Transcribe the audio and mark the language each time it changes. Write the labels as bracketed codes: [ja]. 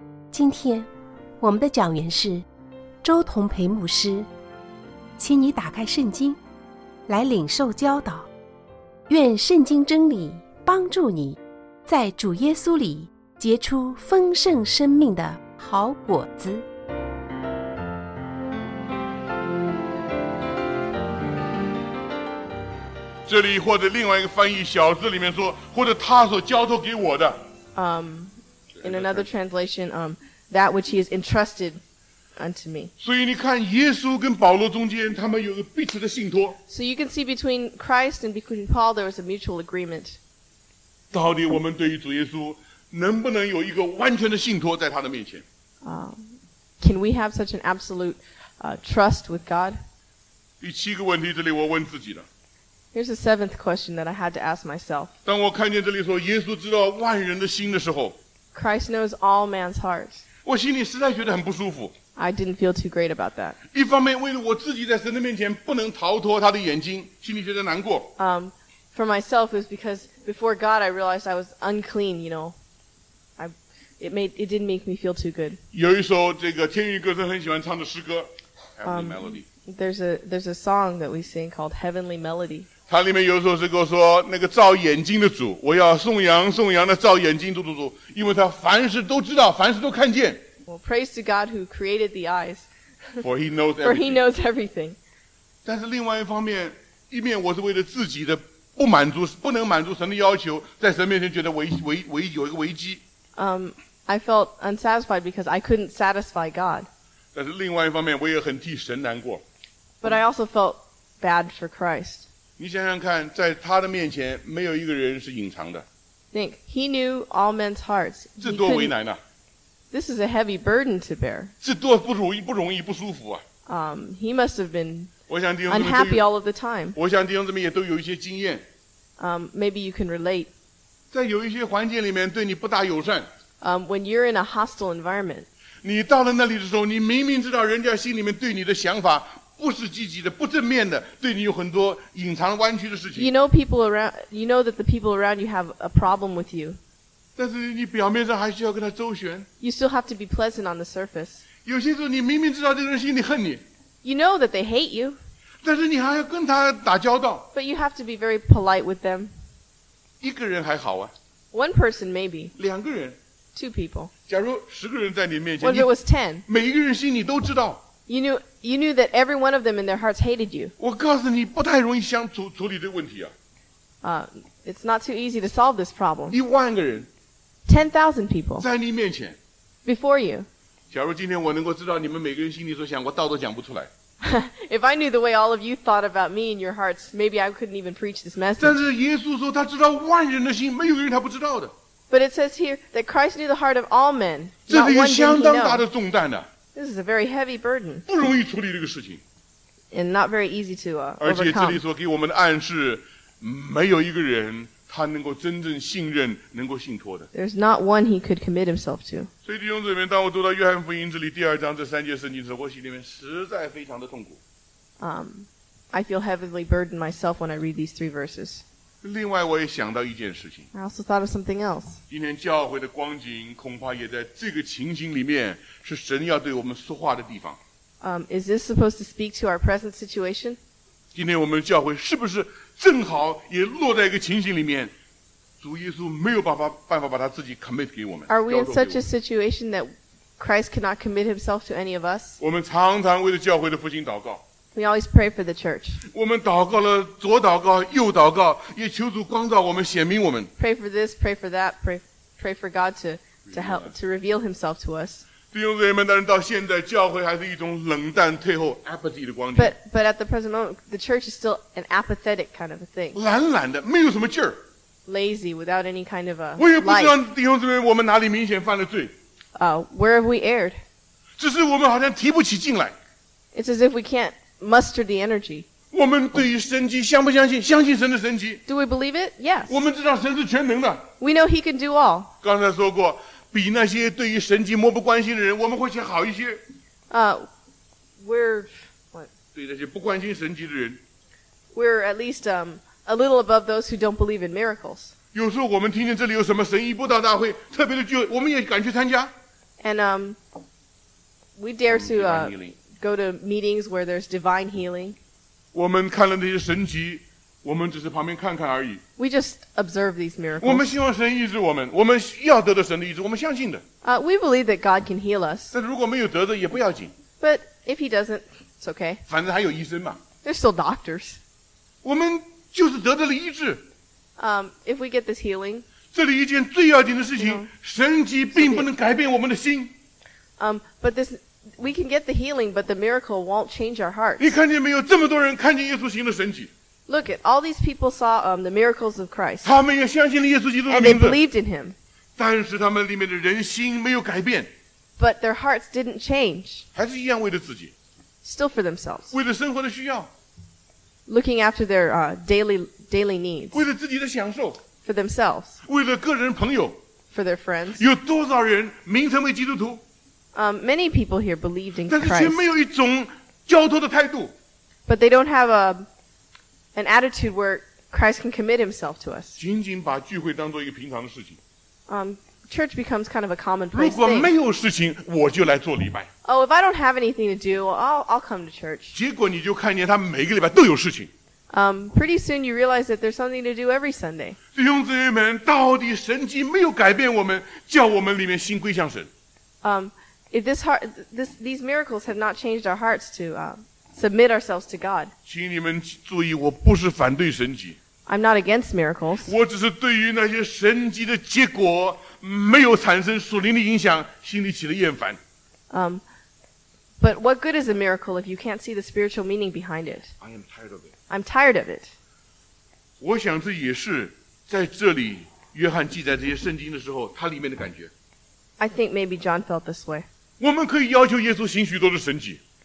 [zh] 今天我们的讲员是周同培牧师，请你打开圣经来领受教导，愿圣经真理帮助你在主耶稣里结出丰盛生命的好果子。这里或者另外一个翻译小字里面说，或者他所交托给我的。 [en] In another translation, that which he has entrusted unto me. [zh] 所以你看，耶稣跟保罗中间，他们有个彼此的信托。 [en] So you can see between Christ and between Paul, there was a mutual agreement. [zh] 到底我们对于主耶稣能不能有一个完全的信托在他的面前？ [en] Can we have such an absolute trust with God? [zh] 第七个问题，这里我问自己了。 [en] Here's the seventh question that I had to ask myself. [zh] 当我看见这里说耶稣知道万人的心的时候， [en] Christ knows all man's heart. [zh] 我心里实在觉得很不舒服。 [en] I didn't feel too great about that. [zh] 一方面为了我自己在神的面前不能逃脱他的眼睛，心里觉得难过。 [en] For myself, it was because before God, I realized I was unclean. You know, it didn't make me feel too good. [zh] 有一首这个天韵歌声很喜欢唱的诗歌， Heavenly Melody. [en] There's a song that we sing called Heavenly Melody. [zh] 它里面有时候是跟我说那个照眼睛的主，我要颂扬颂扬的照眼睛主主主，因为他凡事都知道，凡事都看见。 [en] Well, praise to God who created the eyes. For he knows everything. For he knows everything. [zh] 但是另外一方面，一面我是为了自己的不满足，不能满足神的要求，在神面前觉得有一个危机。 [en] I felt unsatisfied because I couldn't satisfy God. [zh] 但是另外一方面，我也很替神难过。 [en] But I also felt bad for Christ. [zh] 你想想看，在他的面前，没有一个人是隐藏的。 [en] Think he knew all men's hearts. [zh] 这多为难呐！ [en] This is a heavy burden to bear. [zh] 这多不容易，不容易，不舒服啊！ [en] He must have been unhappy all of the time. [zh] 我想弟兄姊妹也都有一些经验。 [en] Maybe you can relate. [zh] 在有一些环境里面，对你不大友善。 [en] When you're in a hostile environment. [zh] 你到了那里的时候，你明明知道人家心里面对你的想法不是积极的、不正面的，对你有很多隐藏弯曲的事情。 [en] You know people around, you know that the people around you have a problem with you. [zh] 但是你表面上还是要跟他周旋。 [en] You still have to be pleasant on the surface. [zh] 有些时候你明明知道这个人心里恨你。 [en] You know that they hate you. [zh] 但是你还要跟他打交道。 [en] But you have to be very polite with them. [zh] 一个人还好啊。 [en] One person maybe. [zh] 两个人。 [en] Two people. [zh] 假如十个人在你面前， [en] what if it was 10? [zh] 每一个人心里都知道。 [en] You knew that every one of them in their hearts hated you. [zh] 我告诉你，不太容易想处理这个问题啊。 [en] It's not too easy to solve this problem. [zh] 一万个人， [en] 10,000 people [zh] 在你面前， [en] before you. [zh] 假如今天我能够知道你们每个人心里所想，我道都讲不出来。 [en] If I knew the way all of you thought about me in your hearts, maybe I couldn't even preach this message. [zh] 但是耶稣说他知道万人的心，没有人他不知道的。 [en] But it says here that Christ knew the heart of all men. [zh] 这是一个相当大的重担呢。 [en] This is a very heavy burden. [zh] 不容易处理这个事情。 [en] And not very easy to overcome. [zh] 而且这里所给我们的暗示，没有一个人他能够真正信任、能够信托的。 [en] There's not one he could commit himself to. [zh] 所以弟兄姊妹，当我读到约翰福音这里第二章这三节圣经时，我心里面实在非常的痛苦。 [en] I feel heavily burdened myself when I read these three verses. [zh] 另外我也想到一件事情。 [en] I also thought of something else. [zh] 今天教会的光景恐怕也在这个情形里面是神要对我们说话的地方。 [en] Is this supposed to speak to our present situation? [zh] 今天我们教会是不是正好也落在一个情形里面，主耶稣没有办法把他自己 commit 给我们。 [en] Are we in such a situation that Christ cannot commit himself to any of us? [zh] 我们常常为了教会的复兴祷告。 [en] We always pray for the church. [zh] 我们祷告了，左祷告，右祷告，也求主光照我们，显明我们。 [en] Pray for this, pray for that, pray for God to help to reveal Himself to us. [zh] 弟兄姊妹们，但是到现在，教会还是一种冷淡、退后、apathy 的光景。 [en] But at the present moment, the church is still an apathetic kind of a thing. [zh] 懒懒的，没有什么劲儿。 [en] Lazy, without any kind of a. [zh] 我也不知道弟兄姊妹，我们哪里明显犯了罪。 [en] Where have we erred? [zh] 只是我们好像提不起劲来。 [en] It's as if we can't. Muster the energy. [zh] 我们对于神迹相不相信？相信神的神迹。 [en] Do we believe it? Yes. [zh] 我们知道神是全能的。 [en] We know He can do all. [zh] 刚才说过，比那些对于神迹漠不关心的人，我们会好一些。 [en] We're what? [zh] 对那些不关心神迹的人。 [en] We're at least a little above those who don't believe in miracles. [zh] 有时候我们听见这里有什么神医布道大会，特别的聚会，我们也敢去参加。 [en] And we dare to go to meetings where there's divine healing. [zh] 我们看了那些神迹，我们只是旁边看看而已。 [en] We just observe these miracles. [zh] 我们希望神医治我们，我们要得到神的医治，我们相信的。 [en] We believe that God can heal us. [zh] 但如果没有得到也不要紧。 [en] But if he doesn't, it's okay. [zh] 反正还有医生嘛。 [en] There's still doctors. [zh] 我们就是得到了医治。 [en] If we get this healing, [zh] 这里一件最要紧的事情， [en] you know, [zh] 神迹并不能改变我们的心。 [en] But this, we can get the healing, but the miracle won't change our hearts. [zh] 你看见没有？这么多人看见耶稣行的神迹。 [en] Look at all these people saw the miracles of Christ. [zh] 他们也相信了耶稣基督的名字。 [en] And they believed in him. [zh] 但是他们里面的人心没有改变。 [en] But their hearts didn't change. [zh] 还是一样为了自己。 [en] Still for themselves. [zh] 为了生活的需要。 [en] Looking after their daily needs. [zh] 为了自己的享受。 [en] For themselves. [zh] 为了个人朋友。 [en] For their friends. [zh] 有多少人名称为基督徒？ [en] Many people here believed in Christ. [zh] 但是却没有一种交托的态度。 [en] But they don't have an attitude where Christ can commit himself to us. [zh] 仅仅把聚会当做一个平常的事情。 [en] Church becomes kind of a common place. [zh] 如果没有事情，我就来做礼拜。 [en] Oh, if I don't have anything to do, I'll come to church. [zh] 结果你就看见他每个礼拜都有事情。 [en] Pretty soon you realize that there's something to do every Sunday. [zh] 弟兄姊妹们，到底神迹没有改变我们，叫我们里面心归向神。 [en] If this heart, these miracles have not changed our hearts to submit ourselves to God. [zh] 请你们注意，我不是反对神迹。 [en] I'm not against miracles. [zh] 我只是对于那些神迹的结果。没有产生属灵的影响，心里起了厌烦。 [en] But what good is a miracle if you can't see the spiritual meaning behind it? I am tired of it. I'm tired of it. [zh] 我想这也是在这里约翰记载这些圣经的时候，他里面的感觉。 [en] I think maybe John felt this way. [zh] 我们可以要求耶稣行许多的神迹。